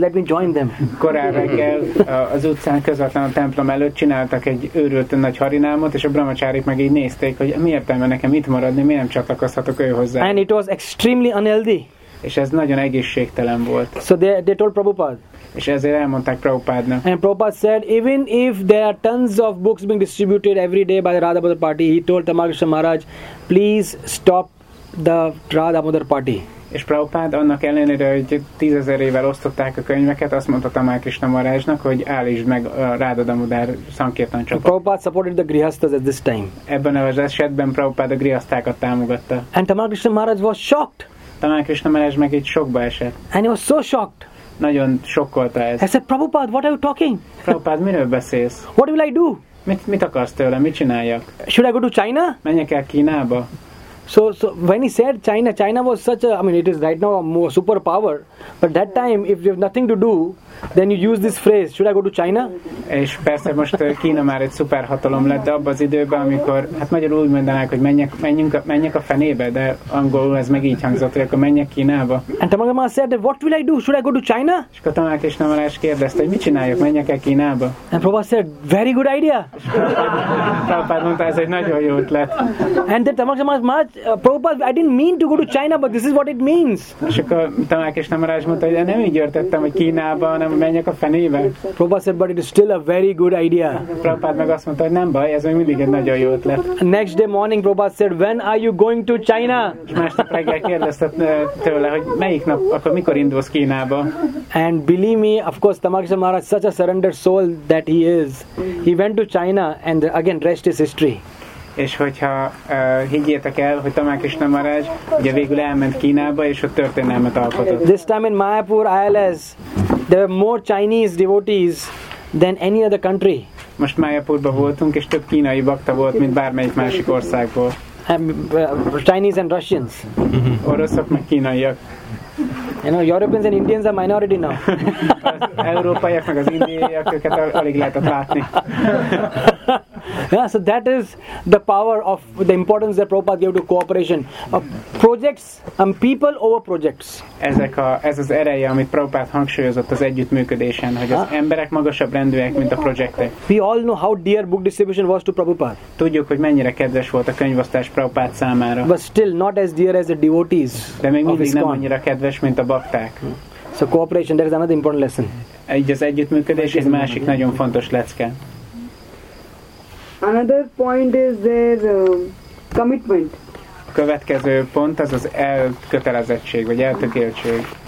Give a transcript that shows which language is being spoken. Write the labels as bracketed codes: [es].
[en] Let me join them. [hu] Korán reggel az utcán közvetlen a templom előtt csináltak egy őrült nagy harinámot, és a brahmacharis meg így nézték, hogy mi értelme nekem itt maradni, miért nem csatlakozhatok ő hozzá. [en] And it was extremely unhealthy. [hu] És ez nagyon egészségtelen volt. [en] So they told Prabhupada. [hu] És ezért elmondták Prabhupádnak. [en] And Prabhupada said, even if there are tons of books being distributed every day by the Radhamodar party, he told Tamal Krishna Maharaj, please stop the Radhamodar party. [hu] És Prabhupád annak ellenére, hogy 10,000 évvel osztották a könyveket, azt mondta Tamal Krishna Maharajnak, hogy állítsd meg a Radhamodar Sankirtan csapat. [en] Prabhupád supported the grihasthas at this time. [hu] Ebben az esetben Prabhupád a grihasztákat támogatta. [en] And Tamal Krishna Maharaj was shocked. [hu] Tamal Krishna Maharaj meg egy sokba esett. [en] And he was so shocked. [hu] Nagyon sokkolta ez. [en] I said, Prabhupád, what are you talking? [hu] Prabhupád, miről beszélsz? [en] What will I do? [hu] Mit akarsz tőle? Mit csináljak? [en] Should I go to China? [hu] Menjek el Kínába? [en] So when he said China was such a, I mean, it is right now a more superpower, but that time if you have nothing to do, then you use this phrase, should I go to China? [hu] És persze most Kína már egy szuperhatalom lett, de abban az időben, amikor, hát magyarul úgy mondanák, hogy menjünk a fenébe, de angolul ez meg így hangzott, hogy akkor menjek Kínába. [en] And Tamal Krishna said, what will I do? Should I go to China? [hu] És akkor Tamal Krishna Maharaj kérdezte, hogy mit csináljuk, menjek-e Kínába? [en] And Prabhupada said, very good idea. [hu] Prabhupada mondta, ez egy nagyon jó ötlet. [en] And then Tamal Krishna Maharaj, Prabhupada, I didn't mean to go to China, but this is what it means. [hu] És akkor Tamal Krishna Maharaj mondta, hogy nem így értettem, hogy Kínába, hanem menjek a fenébe. [en] Prabhupada said, but it is still a very good idea. [hu] Prabhupada meg azt mondta, hogy nem baj, ez még mindig egy nagyon jó ötlet. [en] Next day morning, Prabhupada said, when are you going to China? [hu] És másnap reggel kérdezte tőle, hogy melyik nap, akkor mikor indulsz Kínába? [en] And believe me, of course, Tamal Krishna Maharaj, such a surrendered soul that he is, he went to China and again, rest is history. [hu] És hogyha higgyétek el, hogy Tamal Krishna Maharaj ugye végül elment Kínába, és ott történelmet alkotott. [en] This time in Mayapur, ILS, there were more Chinese devotees than any other country. [hu] Most Mayapurban voltunk, és több kínai bakta volt, mint bármelyik másik országból. [en] Chinese and Russians. [hu] Oroszok meg kínaiak. [en] You know, Europeans and Indians are minority now. [hu] Európaiak meg az indiaiak, őket alig lehetett látni. [en] Yeah, so that is the power of the importance that Prabhupada gave to cooperation. Projects and people over projects. [hu] Ez az ereje, amit Prabhupada hangsúlyozott az együttműködésen, hogy az emberek magasabb rendűek, mint a projektek. [en] We all know how dear book distribution was to Prabhupada. [hu] Tudjuk, hogy mennyire kedves volt a könyvosztás Prabhupada számára. [en] But still not as dear as the devotees. [hu] De még mindig nem annyira kedves, mint a bakták. [en] So cooperation, that is another important lesson. [hu] Így az együttműködés, ez másik nagyon fontos lecke. [en] Another point is their commitment. [hu] következő pont az az elkötelezettség, vagy eltökéltség.